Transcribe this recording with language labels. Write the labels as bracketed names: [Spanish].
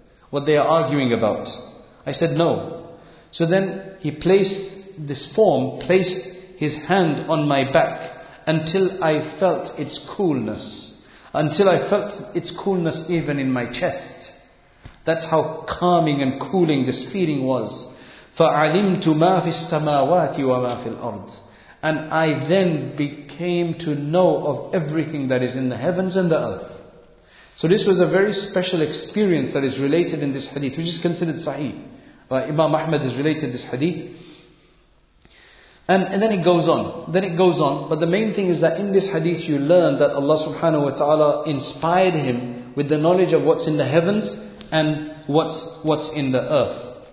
[English] What they are arguing about? I said, no. So then he placed this form, placed his hand on my back until I felt its coolness. Until I felt its coolness even in my chest. That's how calming and cooling this feeling was. [Arabic] فَعَلِمْتُ مَا فِي السَّمَاوَاتِ وَمَا فِي الْأَرْضِ. [English] And I then came to know of everything that is in the heavens and the earth. So this was a very special experience that is related in this hadith, which is considered sahih. Imam Ahmad has related this hadith. And then it goes on. But the main thing is that in this hadith you learn that Allah subhanahu wa ta'ala inspired him with the knowledge of what's in the heavens and what's in the earth.